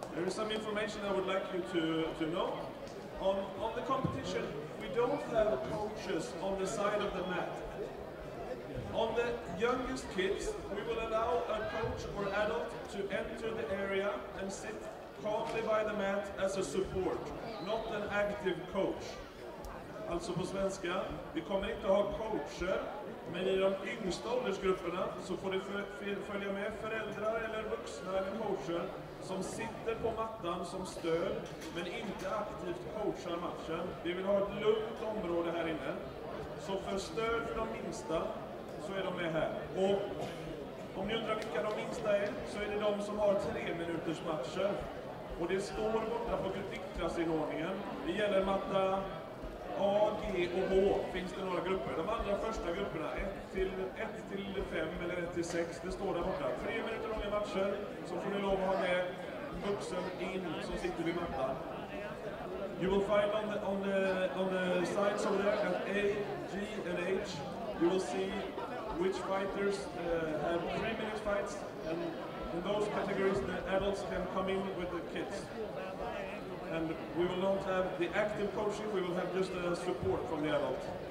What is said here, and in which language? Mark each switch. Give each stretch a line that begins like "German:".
English: some information I would like you to know. On the competition, we don't have coaches on the side of the mat. On the youngest kids, we will allow a coach or adult to enter the area and sit calmly by the mat as a support, not an active coach.
Swedish: Alltså på svenska, vi kommer inte ha coacher, men i de yngsta åldersgrupperna så får det följa med föräldrar eller vuxna eller coacher som sitter på mattan som stöd, men inte aktivt coachar matchen. Vi vill ha ett lugnt område här inne. Så för stöd för de minsta så är de med här. Och om ni undrar vilka de minsta är, så är det de som har 3 minuters matcher. Och det står borta på kritikklassinordningen. Det gäller matta A, G och H. Finns det några grupper? De allra första grupperna, 1 till 5 eller 1 till 6, det står där borta. 3 minuter långa matcher, så får ni lov att ha med vuxen in som sitter vid mattan.
English: You will find on the sides over there at A, G and H, you will see which fighters have 3 minute fights, and in those categories the adults can come in with the kids. And we will not have the active coaching, we will have just a support from the adult.